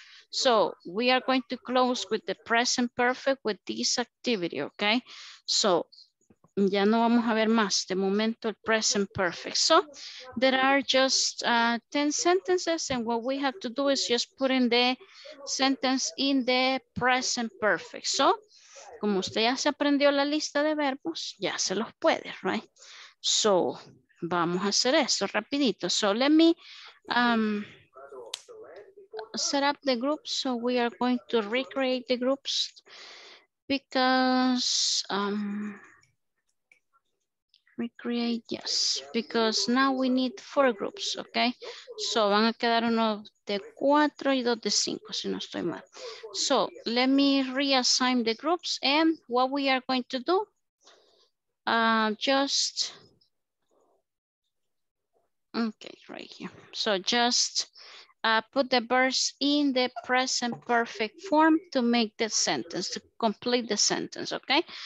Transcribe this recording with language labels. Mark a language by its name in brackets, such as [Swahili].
[English] So we are going to close with the present perfect with this activity, okay? [Spanish] So ya no vamos a ver más, de momento, present perfect. [English] So there are just 10 sentences, and what we have to do is just put in the sentence in the present perfect. [Spanish] So como usted ya se aprendió la lista de verbos, ya se los puede, right? [English] So [Spanish] vamos a hacer esto rapidito. [English] So let me set up the groups. So we are going to recreate the groups because, recreate, yes, because now we need 4 groups, okay? [Spanish] So van a quedar uno de 4 y 2 de 5, si no estoy mal. [English] So let me reassign the groups, and what we are going to do, put the verbs in the present perfect form to make the sentence, to complete the sentence, okay?